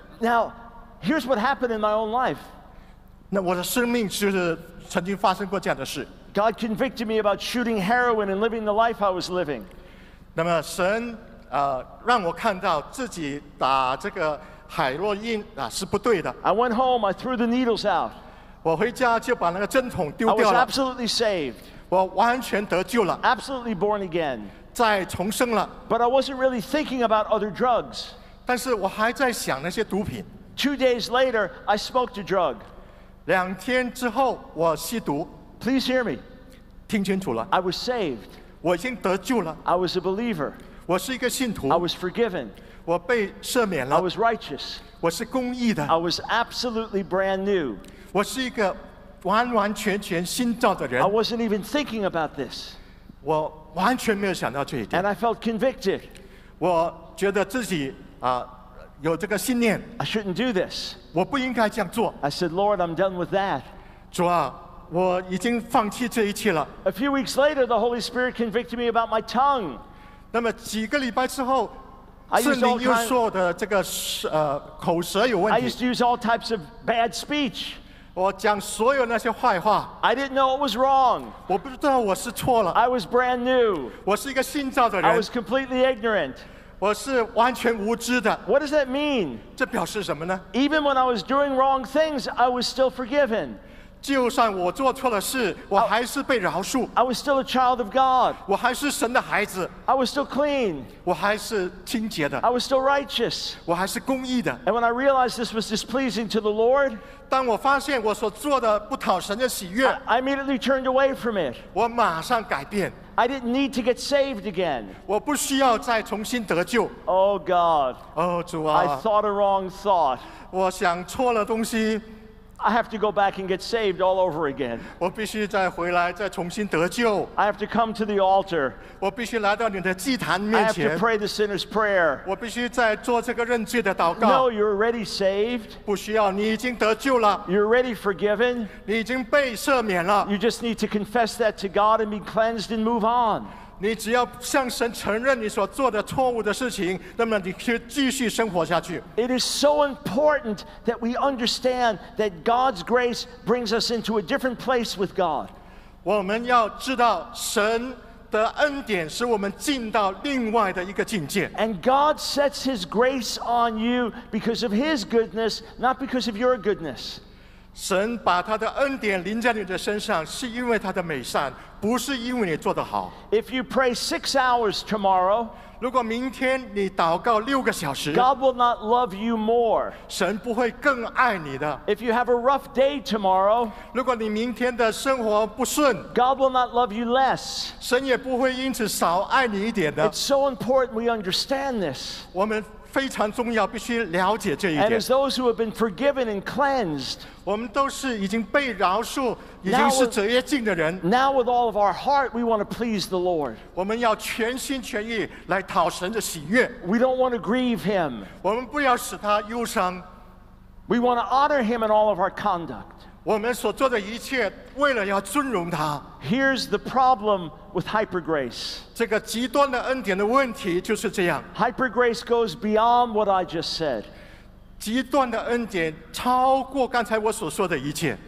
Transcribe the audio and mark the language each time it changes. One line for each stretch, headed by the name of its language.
English: now, here's what happened in my own life,
Chinese: 那我的生命就是曾经发生过这样的事
English: God convicted me about shooting heroin and living the life I was living.
Chinese: 那么神让我看到自己打这个海洛因是不对的。
English: I went home, I threw the needles out.
Chinese: 我回家就把那个针筒丢掉了。
English: I was absolutely saved.
Chinese: 我完全得救了。
English: Absolutely born again.
Chinese: 再重生了。
English: But I wasn't really thinking about other drugs.
Chinese: 但是我还在想那些毒品。
English: Two days later, I smoked a drug.
Chinese: 两天之后我吸毒。
English: Please hear me.
Chinese: 听清楚了。
English: I was saved.
Chinese: 我已经得救了。
English: I was a believer.
Chinese: 我是一个信徒。
English: I was forgiven.
Chinese: 我被赦免了。
English: I was righteous.
Chinese: 我是公义的。
English: I was absolutely brand new.
Chinese: 我是一个完完全全新造的人。
English: I wasn't even thinking about this.
Chinese: 我完全没有想到这一点。
English: And I felt convicted.
Chinese: 我觉得自己有这个信念。
English: I shouldn't do this.
Chinese: 我不应该这样做。
English: I said, Lord, I'm done with that.
Chinese: 主啊。我已经放弃这一切了。
English: A few weeks later, the Holy Spirit convicted me about my tongue.
Chinese: 那么几个礼拜之后，圣灵又说我的这个口舌有问题。
English: I used to use all types of bad speech.
Chinese: 我讲所有那些坏话。
English: I didn't know it was wrong.
Chinese: 我不知道我是错了。
English: I was brand new.
Chinese: 我是一个新造的人。
English: I was completely ignorant.
Chinese: 我是完全无知的。
English: What does that mean?
Chinese: 这表示什么呢
English: ？Even when I was doing wrong things, I was still forgiven.
Chinese: 就算我做错了事，我还是被饶恕。
English: I was still a child of God.
Chinese: 我还是神的孩子。
English: I was still clean.
Chinese: 我还是清洁的。
English: I was still righteous.
Chinese: 我还是公义的。
English: And when I realized this was displeasing to the Lord,
Chinese: 当我发现我所做的不讨神的喜悦，
English: I immediately turned away from it.
Chinese: 我马上改变。
English: I didn't need to get saved again.
Chinese: 我不需要再重新得救。
English: Oh God.
Chinese: 哦，主啊。
English: I thought a wrong thought.
Chinese: 我想错了东西。
English: I have to go back and get saved all over again.
Chinese: 我必须再回来，再重新得救。
English: I have to come to the altar.
Chinese: 我必须来到你的祭坛面前。
English: I have to pray the sinner's prayer.
Chinese: 我必须再做这个认罪的祷告。
English: No, you're already saved.
Chinese: 不需要，你已经得救了。
English: You're already forgiven.
Chinese: 你已经被赦免了。
English: You just need to confess that to God and be cleansed and move on.
Chinese: 你只要向神承认你所做的错误的事情，那么你就继续生活下去。
English: It is so important that we understand that God's grace brings us into a different place with God.
Chinese: 我们要知道神的恩典使我们进到另外的一个境界。
English: And God sets His grace on you because of His goodness, not because of your goodness.
Chinese: 神把他的恩典临在你的身上，是因为他的美善，不是因为你做得好。
English: If you pray 6 hours tomorrow,
Chinese: 如果明天你祷告6个小时，
English: God will not love you more.
Chinese: 神不会更爱你的。
English: If you have a rough day tomorrow,
Chinese: 如果你明天的生活不顺，
English: God will not love you less.
Chinese: 神也不会因此少爱你一点的。
English: It's so important we understand this.
Chinese: 我们非常重要，必须了解这一点。
English: And as those who have been forgiven and cleansed,
Chinese: 我们都是已经被饶恕，已经是洁净的人。
English: Now with all of our heart, we want to please the Lord.
Chinese: 我们要全心全意来讨神的喜悦。
English: We don't want to grieve Him.
Chinese: 我们不要使他忧伤。
English: We want to honor Him in all of our conduct.
Chinese: 我们所做的一切，为了要尊荣他。
English: Here's the problem with hypergrace.
Chinese: 这个极端的恩典的问题就是这样。
English: Hypergrace goes beyond what I just said.
Chinese: 极端的恩典超过刚才我所说的一切。